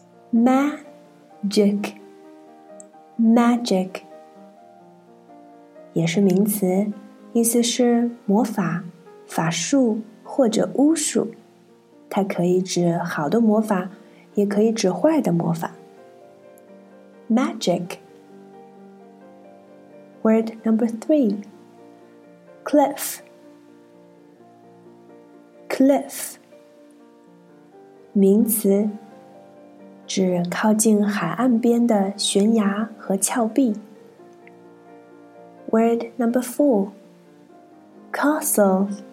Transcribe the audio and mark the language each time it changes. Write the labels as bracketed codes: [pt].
[en] Magic, magic. [zh] 也是名词，意思是魔法、法术或者巫术。它可以指好的魔法，也可以指坏的魔法。 [en] Magic. Word number three, cliff. [zh] Cliff, 名词，指靠近海岸边的悬崖和峭壁。 [en] Word number four, castle.